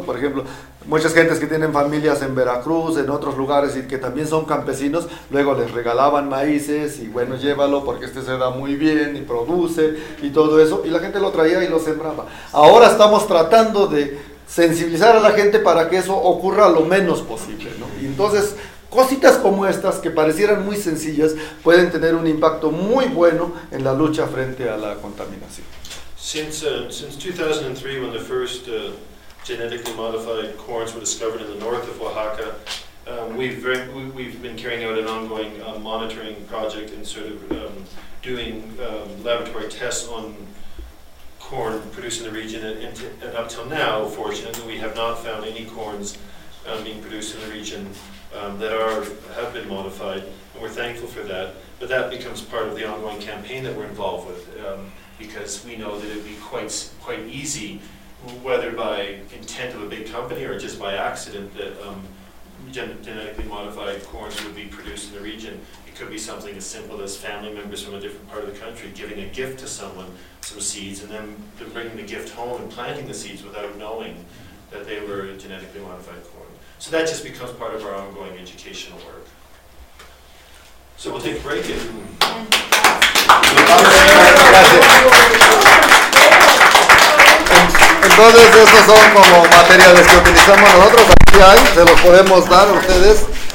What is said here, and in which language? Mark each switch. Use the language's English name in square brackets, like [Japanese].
[Spanish] Por ejemplo, muchas gentes que tienen familias en Veracruz, en otros lugares y que también son campesinos, luego les regalaban maíces y bueno, llévalo porque este se da muy bien y produce y todo eso, y la gente lo traía y lo sembraba. Ahora estamos tratando de sensibilizar a la gente para que eso ocurra lo menos posible, ¿no? Y entonces, Cositas como estas, que parecieran muy sencillas, pueden tener un impacto muy bueno en la lucha frente a la contaminación. [English] Since 2003, when the first genetically modified corns were discovered in the north of Oaxaca, we've been carrying out an ongoing monitoring project and sort of doing laboratory tests on corn produced in the region. And up till now, fortunately, we have not found any corns being produced in the region that have been modified, and we're thankful for that. But that becomes part of the ongoing campaign that we're involved with, because we know that it'd be quite easy, whether by intent of a big company or just by accident, that genetically modified corns would be produced in the region. It could be something as simple as family members from a different part of the country giving a gift to someone, some seeds, and then bringing the gift home and planting the seeds without knowing that they were genetically modified corn. So that just becomes part of our ongoing educational work. So we'll take a break. [Spanish] Entonces esos son como materiales que utilizamos nosotros. Aquí hay, se los podemos dar a ustedes.